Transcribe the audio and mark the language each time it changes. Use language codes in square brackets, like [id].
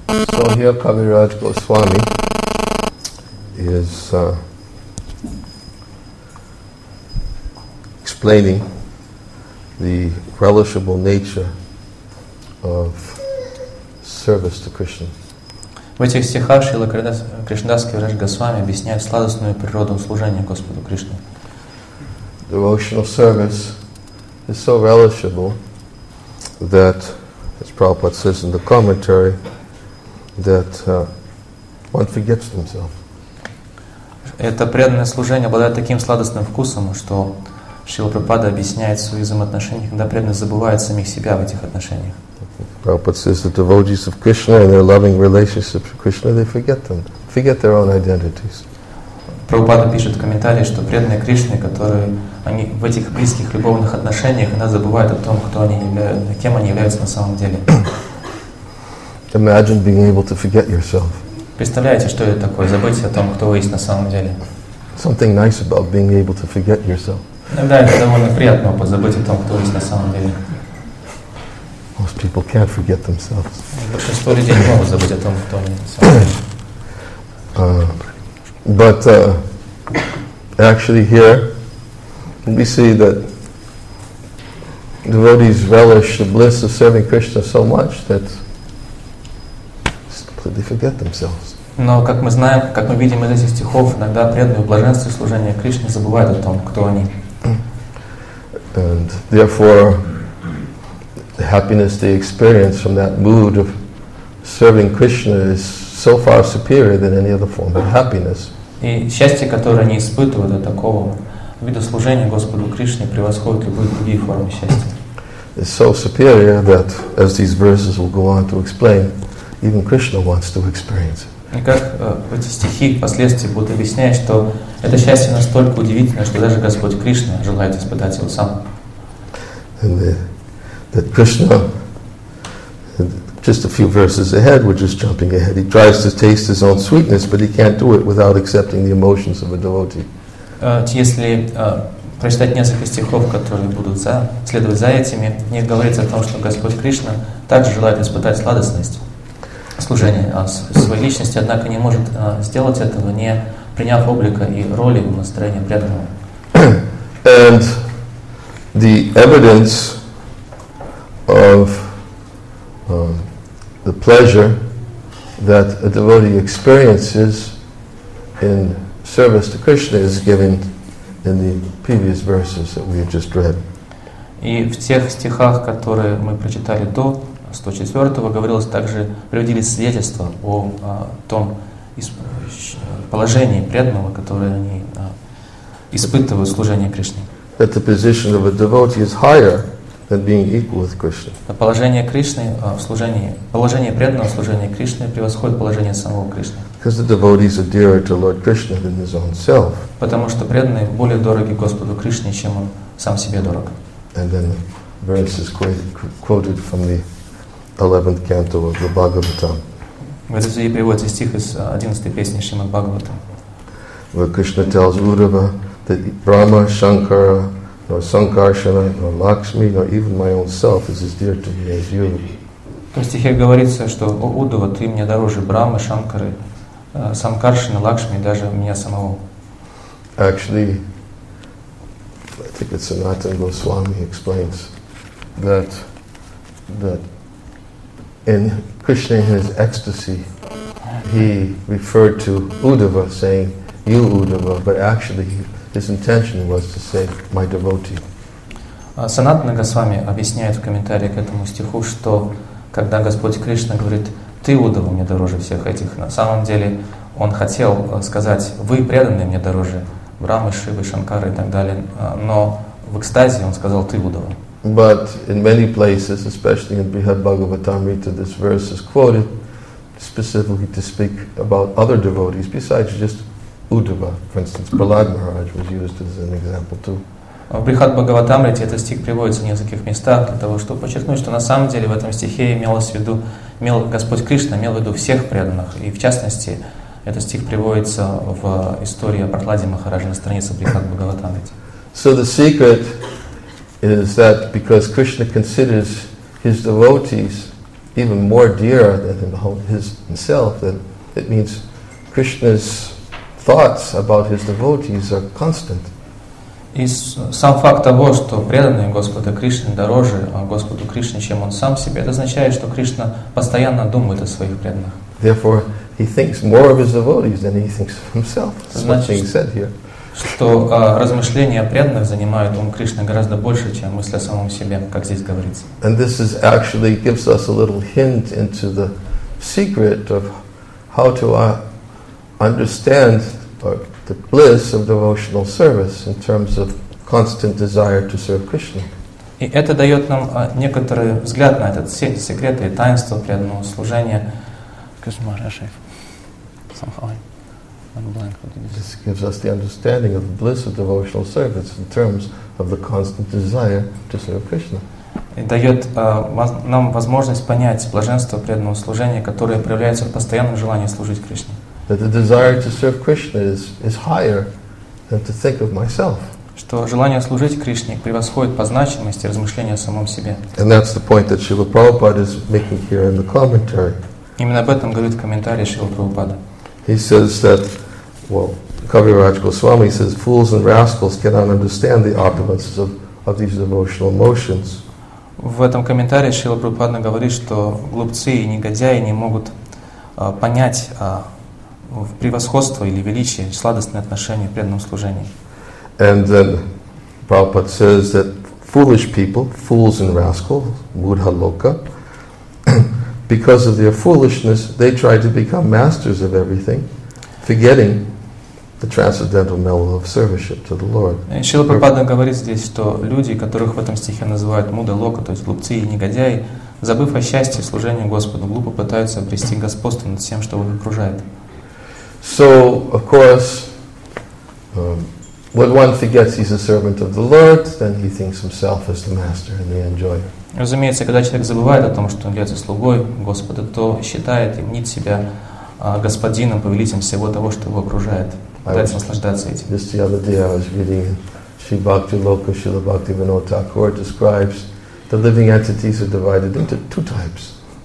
[en] So here Kaviraj Goswami is explaining the relishable nature of service to Krishna. [ru] В этих стихах Шрила Кришнадас Кавираж Госвами объясняет сладостную природу служения Господу Кришне. [en] Devotional service is so relishable that, as Prabhupada says in the commentary, that one forgets themselves. [ru] Это преданное служение обладает таким сладостным вкусом, что Шрила Прабхупада объясняет в своих взаимоотношениях, когда преданный забывает самих себя в этих отношениях. [en] Prabhupada says that devotees of Krishna and their loving relationship to Krishna, they forget their own identities. [ru] Прабхупада пишет в комментарии, что преданные Кришны, которые они в этих близких любовных отношениях, иногда забывают о том, кто они являются, кем они являются на самом деле. [en] Imagine being able to forget yourself. [ru] Представляете, что это такое? Забыть о том, кто вы есть на самом деле. [en] Something nice about being able to forget yourself. [ru] Иногда это довольно приятно, позабыть о том, кто вы есть на самом деле. [en] Most people can't forget themselves. [ru] Большинство людей не могут забыть о том, кто они на самом деле. [en] But actually here, we see that devotees relish the bliss of serving Krishna so much that they forget themselves. [ru] Но как мы знаем, как мы видим из этих стихов, иногда преданные в блаженстве служения Кришне забывают о том, кто они. [en] And therefore, the happiness they experience from that mood of serving Krishna is so far superior than any other form of happiness. [ru] И счастье, которое они испытывают от такого вида служения Господу Кришне, превосходит любые другие формы счастья. [en] It's so superior that, as these verses will go on to explain, even Krishna wants to experience it. [ru] И как эти стихи впоследствии будут объяснять, что это счастье настолько удивительно, что даже Господь Кришна желает испытать его сам. [en] And that Krishna, just a few verses ahead, we're just jumping ahead, he tries to taste his own sweetness, but he can't do it without accepting the emotions of a devotee. [ru] Если прочитать несколько стихов, которые будут следовать за этими, в них говорится о том, что Господь Кришна также желает испытать сладостность служение своей личности, однако не может сделать этого, не приняв облика и роли в настроении преданного. [en] And the evidence of the pleasure that a devotee experiences in service to Krishna is given in the previous verses that we have just read. [ru] И в тех стихах, которые мы прочитали до 104-го, говорилось также, приводили свидетельства о том положении преданного, которое они испытывают в служении Кришне. [en] That the position of a devotee is higher than being equal with Krishna. [ru] Положение Кришны в служении, положение преданного в служении Кришны превосходит положение самого Кришны. [en] Because the devotees are dearer to Lord Krishna than his own self. [ru] Потому что преданные более дороги Господу Кришне, чем он сам себе дорог. [en] And then the verse is quoted from the 11th canto of the Bhagavatam. [ru] В этой связи приводится стих из 11-й песни Шримад Бхагаватам. [en] Where Krishna tells Uddhava that Brahma, Shankara, nor Sankarsana, nor Lakshmi, nor even my own self is as dear to me as you. [ru] В стихе говорится, что о Уддхава, ты мне дороже Брамы, Шанкары, Санкаршаны, Лакшми, даже меня самого. [en] Actually, I think it's Sanatan Goswami explains that in Krishna, in his ecstasy, he referred to Uddhava, saying, "You Uddhava," but actually his intention was to say, "My devotee." [ru] Sanatana Goswami объясняет в комментарии к этому стиху, что когда Господь Кришна говорит, "Ты Уддхава, мне дороже всех этих," на самом деле он хотел сказать, "Вы преданные мне дороже, Брамы, Шивы, Шанкары и так далее," но в экстазе он сказал, "Ты Уддхава." [en] But in many places, especially in Brihad Bhagavatamrita, this verse is quoted specifically to speak about other devotees besides just Uddhava. For instance, Prahlad Maharaj was used as an example too. [ru] В Брихад Бхагаватамрите этот стих приводится в нескольких местах для того, чтобы подчеркнуть, что на самом деле в этом стихе имелось в виду, имел Господь Кришна, имел в виду всех преданных. И в частности, этот стих приводится в истории о Прахладе Махараджа на странице Брихад Бхагаватамрите. [en] So the secret is that because Krishna considers his devotees even more dear than himself, then it means Krishna's thoughts about his devotees are constant. [ru] И сам факт того, что преданные Господа Кришны дороже Господу Кришне, чем он сам себе, это означает, что Кришна постоянно думает о своих преданных. [en] Therefore, he thinks more of his devotees than he thinks of himself. That's what's being said here. [ru] Что размышления о преданных занимают ум Кришны гораздо больше, чем мысли о самом себе, как здесь говорится. [en] And this is actually gives us a little hint into the secret of how to understand the bliss of devotional service in terms of constant desire to serve Krishna. [ru] И это дает нам некоторый взгляд на этот секрет и таинство преданного служения. [en] Excuse me, Rashi. Somehow. This gives us the understanding of the bliss of devotional service in terms of the constant desire to serve Krishna. [ru] It дает нам возможность понять блаженство преданного служения, которое проявляется в постоянном желании служить Кришне. [en] That the desire to serve Krishna is higher than to think of myself. [ru] Что желание служить Кришне превосходит по значимости размышления о самом себе. [en] And that's the point that Srila Prabhupada is making here in the commentary. [ru] Именно об этом говорит комментарий Шрила Прабхупады. [en] He says that, well, Kaviraj Goswami says, fools and rascals cannot understand the opulences of these devotional emotions. [ru] В этом комментарии Шрила Прабхупада говорит, что глупцы и негодяи не могут понять превосходство или величие, сладостные отношения в преданном служении. [en] And then Prabhupada says that foolish people, fools and rascals, mudha loka, because of their foolishness, they try to become masters of everything, forgetting the transcendental mellow of servitorship to the Lord. [ru] Шрила Прабхупада говорит здесь, что люди, которых в этом стихе называют мудха лока, то есть глупцы и негодяи, забыв о счастье служения Господу, глупо пытаются обрести господство над всем, что их окружает. [en] So, of course, when one forgets he's a servant of the Lord, then he thinks himself as the master and the enjoyer. [ru] Разумеется, когда человек забывает о том, что он является слугой Господа, то считает и мнит себя господином, повелителем всего того, что его окружает. Пытается наслаждаться этим. [en] Just the other day I was reading Sri Bhakti Loka, Srila Bhakti Vinod Thakur describes the living entities are divided into two types.